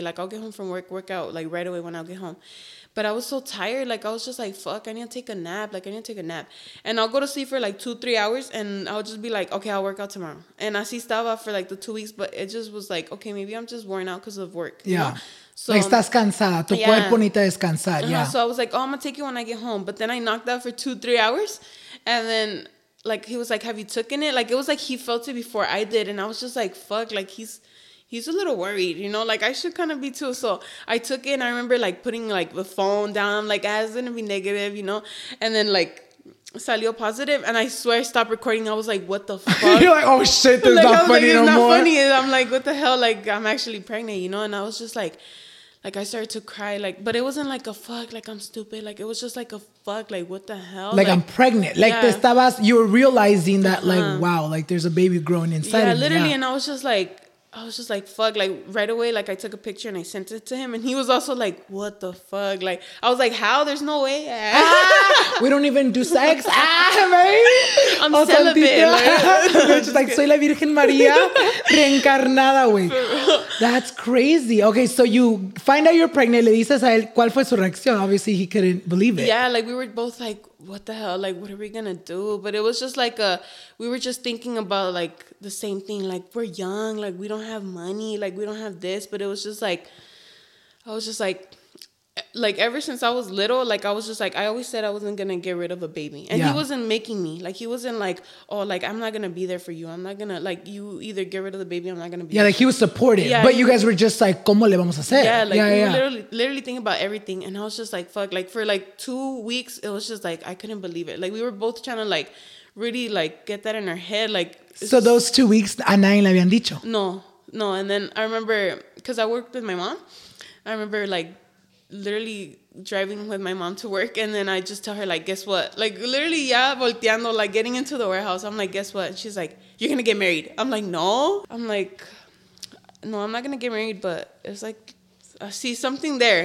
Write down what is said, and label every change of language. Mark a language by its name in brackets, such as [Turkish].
[English] Like, I'll get home from work out, like, right away when I'll get home. But I was so tired. Like, I was just like, fuck, I need to take a nap. Like, I need to take a nap. And I'll go to sleep for, like, 2-3 hours, and I'll just be like, okay, I'll work out tomorrow. And [Spanish] así estaba [English] for, like, the 2 weeks, but it just was like, okay, maybe I'm just worn out because of work. Yeah. You know? [Spanish] So, estás cansada, tu cuerpo necesita descansar. [English] Yeah. So I was like, oh, I'm going to take it when I get home. But then I knocked out for 2-3 hours, and then... Like, he was like, have you taken it? Like, it was like he felt it before I did. And I was just like, fuck, like, he's a little worried, you know? Like, I should kind of be too. So I took it, and I remember, like, putting, like, the phone down. I'm like, it's going to be negative, you know? And then, like, salió positive. And I swear I stopped recording. I was like, what the fuck? You're like, oh, shit, this is not funny no more. It's not funny. And I'm like, what the hell? Like, I'm actually pregnant, you know? And I was just like... Like, I started to cry, like, but it wasn't like a fuck, like, I'm stupid. Like, it was just like a fuck, like, what the hell? Like I'm pregnant. Like, yeah. You were realizing that, like, wow, like, there's a baby growing inside of me. yeah, literally, and I was just like, fuck, like, right away, like, I took a picture and I sent it to him, and he was also like, what the fuck? Like, I was like, how? There's no way. We don't even do sex. Right? I'm celibate. Like, just like, [Spanish] soy la Virgen María reencarnada, güey. [English] That's crazy. Okay, so you find out you're pregnant, [Spanish] le dices a él, ¿cuál fue su reacción? [English] Obviously, he couldn't believe it. Yeah, like, we were both like, what the hell? Like, what are we gonna do? But it was just like we were just thinking about, like, the same thing. Like, we're young. Like, we don't have money. Like, we don't have this. But it was just like, I was just like, ever since I was little, like, I was just like, I always said I wasn't gonna get rid of a baby. And yeah, he wasn't making me. Like, he wasn't like, oh, like, I'm not gonna be there for you. I'm not gonna, like, you either get rid of the baby, I'm not gonna be there. Yeah, like, he was supportive. Yeah, but you guys were just like, [Spanish] ¿cómo le vamos a hacer? [English] Yeah, like, we literally thinking about everything. And I was just like, fuck. Like, for, like, 2 weeks, it was just like, I couldn't believe it. Like, we were both trying to, like, really, like, get that in our head. Like, so those 2 weeks, [Spanish] a nadie le habían dicho? [English] No. And then I remember, because I worked with my mom, I remember, like, literally driving with my mom to work, and then I just tell her, like, guess what? Like, literally, yeah, volteando, like, getting into the warehouse. I'm like, guess what? And she's like, you're gonna get married. I'm like, no. I'm like, no, I'm not gonna get married, but it's like, I see something there.